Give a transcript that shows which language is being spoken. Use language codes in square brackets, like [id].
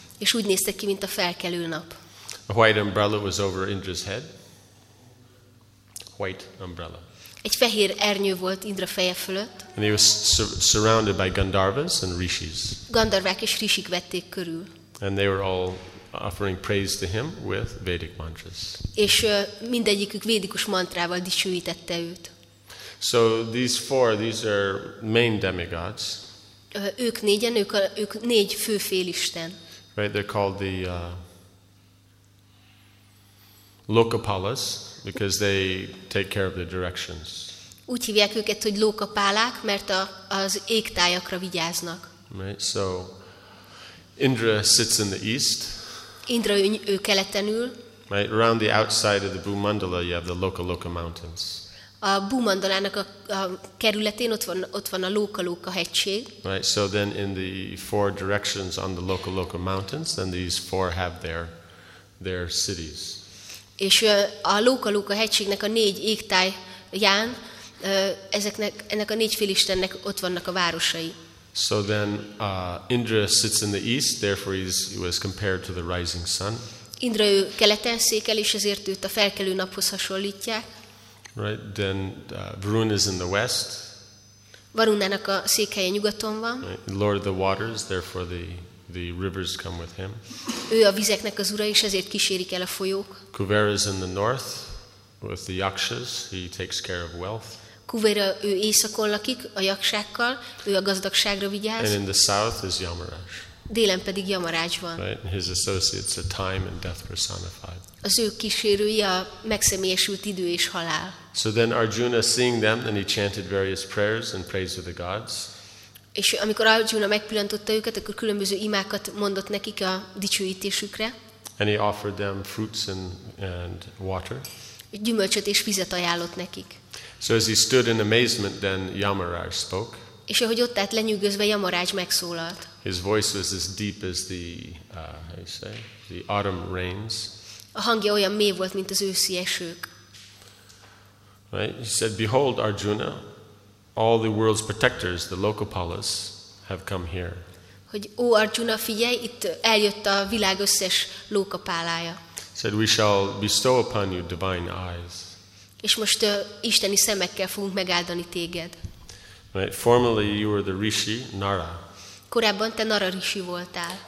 [hu] És úgy nézte ki, mint a felkelő nap. [en] A white umbrella was over Indra's head. White umbrella. [hu] Egy fehér ernyő volt Indra feje fölött. [en] And he was surrounded by Gandharvas and Rishis. [hu] Gandharvák és Rishik vették körül. [en] And they were all offering praise to him with Vedic mantras. [hu] És mindegyikük védikus mantrával dicsőítette őt. [en] So these four, these are main demigods. [hu] Ők négyen, ők négy fő félisten. [en] Right, they're called the Lokapalas, because they take care of the directions. [hu] Úgy hívják őket, hogy Lokapálák, mert az égtájakra vigyáznak. [en] Right, so Indra sits in the east. [hu] Indra ő keleten ül. [en] Right, around the outside of the Bhumandala you have the Loka mountains. [hu] A Bhumandalának a kerületén ott van a Loka hegység. [en] Right, so then in the four directions on the Loka mountains, then these four have their cities. [hu] És a Loka hegységnek a négy égtáján ezeknek ennek a négy félistennek ott vannak a városai. [en] So then Indra sits in the east, therefore he was compared to the rising sun. [hu] Indra ő keleten székel, és ezért őt a felkelő naphoz hasonlítják. [en] Right, then Varuna is in the west. [hu] Varunának a székhelye nyugaton van. [en] Right. Lord of the waters, therefore the rivers come with him. [hu] Ő a vizeknek az ura, és ezért kísérik el a folyók. [en] Kuvera is in the north with the yakshas. He takes care of wealth. [hu] Kuvera, ő északon lakik a yakshákkal, ő a gazdagságra vigyáz. [en] And in the south is Yamaraj. [hu] Délen pedig Yamaraj van. [en] Right. His associates are time and death personified. [hu] Az ő kísérői a megszemélyesült idő és halál. [en] So then Arjuna seeing them, then he chanted various prayers and prays to the gods. [hu] És amikor Arjuna megpillantotta őket, akkor különböző imákat mondott nekik a dicsőítésükre. [en] And he offered them fruits and water. [hu] Gyümölcsöt és vizet ajánlott nekik. [en] So as he stood in amazement, then Yamaraj spoke. [hu] És ahogy ott állt lenyűgözve, Yamaraj megszólalt. [en] His voice was as deep as the, how you say, the autumn rains. [hu] A hangja olyan mély volt, mint az őszi esők. [en] Right? He said, "Behold, Arjuna, all the world's protectors, the Lokapalas, have come here." [hu] Hogy ó Arjuna, figyelj, itt eljött a világ összes lókapálája. [en] Said, "We shall bestow upon you divine eyes." [hu] És most isteni szemekkel fogunk megáldani téged. [en] Right? Formerly, you were the Rishi Nara. [hu] Korábban te Nara Rishi voltál.